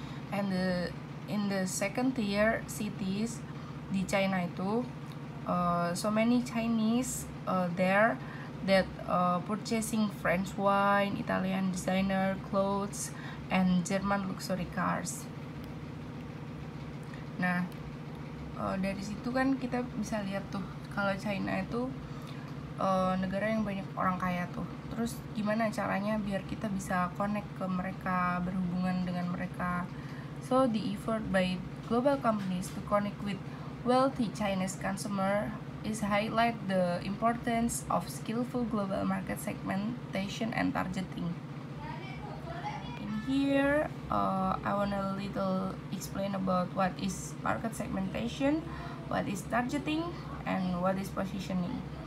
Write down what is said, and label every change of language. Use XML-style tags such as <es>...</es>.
<en>And in the second tier cities</en> <id>di China itu,</id> <en>so many Chinese there that purchasing French wine, Italian designer clothes, and German luxury cars.</en> <id>Nah, dari situ kan kita bisa lihat tuh kalau China itu negara yang banyak orang kaya tuh. Terus gimana caranya biar kita bisa connect ke mereka, berhubungan dengan mereka?</id> <en>So the effort by global companies to connect with wealthy Chinese consumer is highlight the importance of skillful global market segmentation and targeting. In here, I want a little explain about what is market segmentation, what is targeting, and what is positioning.</en>